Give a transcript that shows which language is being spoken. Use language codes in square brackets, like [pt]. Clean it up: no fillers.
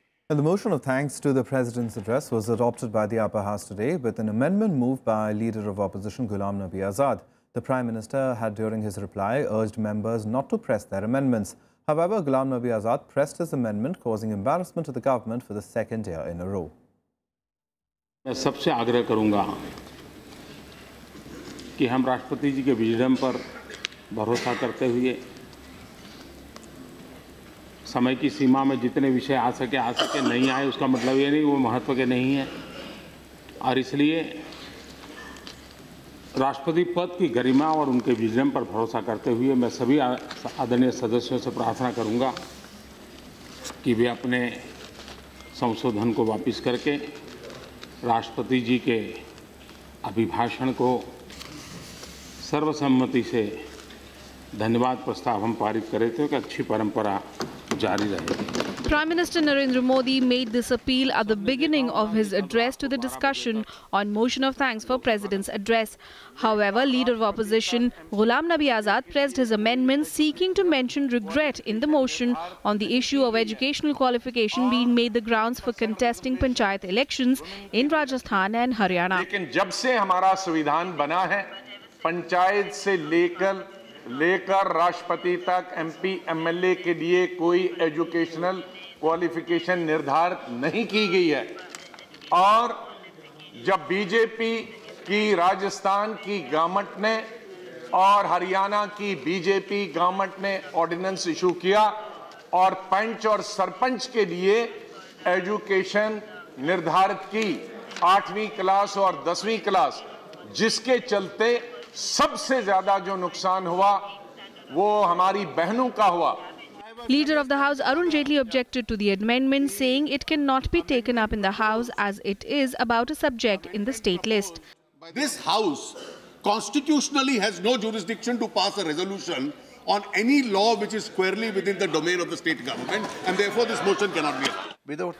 [en] And the motion of thanks to the President's address was adopted by the upper house today with an amendment moved by Leader of Opposition Ghulam Nabi Azad. The Prime Minister had during his reply urged members not to press their amendments. However, Ghulam Nabi Azad pressed his amendment, causing embarrassment to the government for the second year in a row. [hi] मैं सबसे आग्रह करूंगा कि हम राष्ट्रपति जी के wisdom पर भरोसा करते हुए समय की सीमा में जितने विषय आ सके नहीं आए उसका मतलब ये नहीं वो महत्व के नहीं है और इसलिए राष्ट्रपति पद की गरिमा और उनके विजन पर भरोसा करते हुए मैं सभी आदरणीय सदस्यों से प्रार्थना करूंगा कि वे अपने संशोधन को वापस करके राष्ट्रपति जी के अभिभाषण को सर्वसम्मति से धन्यवाद प्रस्ताव हम पारित करें तो एक अच्छी परंपरा जारी रहेगी. [en] Prime Minister Narendra Modi made this appeal at the beginning of his address to the discussion on motion of thanks for President's address. However, Leader of Opposition Ghulam Nabi Azad pressed his amendment seeking to mention regret in the motion on the issue of educational qualification being made the grounds for contesting panchayat elections in Rajasthan and Haryana. [hi] लेकिन जब से हमारा संविधान बना है पंचायत से लेकर लेकर राष्ट्रपति तक एमपी एमएलए के लिए कोई एजुकेशनल क्वालिफिकेशन निर्धारित नहीं की गई है और जब बीजेपी की राजस्थान की गवर्नमेंट ने और हरियाणा की बीजेपी गवर्नमेंट ने ऑर्डिनेंस इशू किया और पंच और सरपंच के लिए एजुकेशन निर्धारित की आठवीं क्लास और दसवीं क्लास जिसके चलते सबसे ज्यादा जो नुकसान हुआ वो हमारी बहनों का हुआ. [en] Leader of the House Arun Jaitley objected to the amendment, saying it cannot be taken up in the House as it is about a subject in the state list. This House constitutionally has no jurisdiction to pass a resolution on any law which is squarely within the domain of the state government, and therefore this motion cannot be allowed.